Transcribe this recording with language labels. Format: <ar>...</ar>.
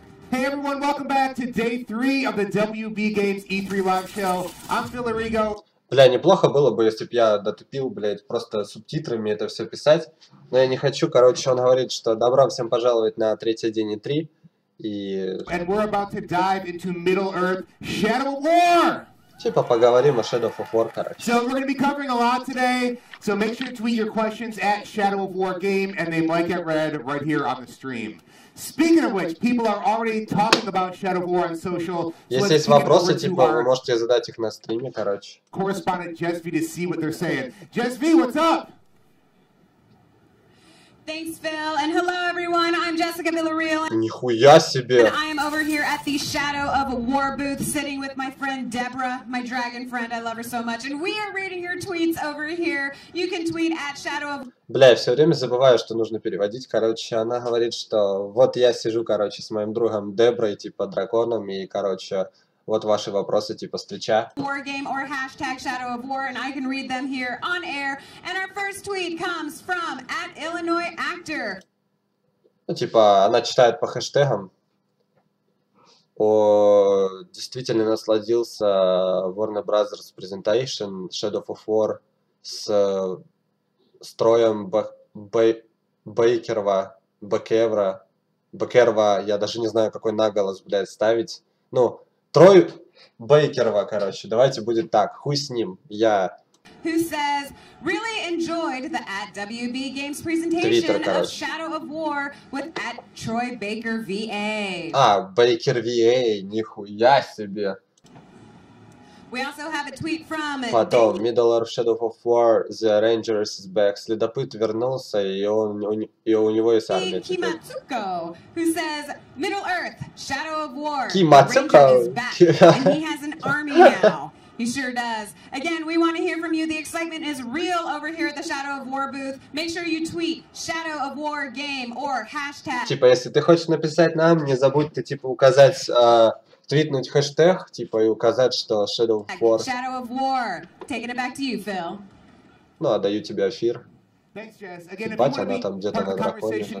<en>Hey everyone, welcome back to day 3 of the WB Games E3 Live Show. I'm Phil Arrigo.</en> <ru>Бля, неплохо было бы, если бы я дотупил, блядь, просто субтитрами это все писать. Но я не хочу. Короче, он говорит, что добро всем пожаловать на третий день E3. И...</ru> <en>And we're about to dive into Middle-Earth Shadow of War!</en> <ru>Типа поговорим о Shadow of War, короче.</ru> <en>So we're gonna be covering a lot today, so make sure to tweet your questions at Shadow of War Game, and they might get read right here on the stream. Speaking of which, people are already talking about Shadow of War on social.</en> <ru>Если есть вопросы, типа, вы можете задать их на стриме, короче.</ru> <en>Correspondent Jess V to see what they're saying. Jess V, what's up? Thanks, Phil, and hello, everyone. I'm Jessica Villarreal.</en> <ru>Нихуя себе.</ru> <en>And I am over here at the Shadow of War booth, sitting with my friend Deborah, my dragon friend. I love her so much, and we are reading your tweets over here. You can tweet at Shadow of.</en> <ru>Бля, я все время забываю, что нужно переводить. Короче, она говорит, что вот я сижу, короче, с моим другом Деброй, типа драконом, и короче. Вот ваши вопросы, типа, встреча.</ru> <en>War game or hashtag Shadow of War, and I can read them here on air. And our first tweet comes from at Illinois Actor.</en> <ru>Ну, типа, она читает по хэштегам. О, действительно насладился Warner Brothers Presentation Shadow of War с строем Бекерва, я даже не знаю, какой наголос, блядь, ставить. Ну, Трой Бейкерова, короче, давайте будет так. Хуй с ним, я.</ru> <en>Who says, really enjoyed the at WB Games presentation Twitter, of Shadow of War with at Troy Baker VA.</en> <ru>А, Baker VA, нихуя себе.</ru> <en>We also have a tweet from... Потом, Middle Earth Shadow of War, The Rangers is back.</en> <ru>Следопыт вернулся, и у него есть армия.</ru> <en>И Кимацуко, who says, Middle Earth, Shadow of War,</en> <ru>Кимацуко.</ru> <en>The Ranger is back. And he has an army now. He sure does. Again, we want to hear from you. The excitement is real over here at the Shadow of War booth. Make sure you tweet Shadow of War game or hashtag...</en> <ru>Типа, если ты хочешь написать нам, не забудь ты, типа, указать... Твитнуть хэштег, типа, и указать, что Shadow of War.</ru> <en>Shadow of War. Taking it back to you, Phil.</en> <ru>Ну, отдаю тебе эфир.</ru> <en>Thanks, Jess. Again,</en> <ru>ебать,</ru> <en>if you</en> <ru>она там где-то на драконе.</ru>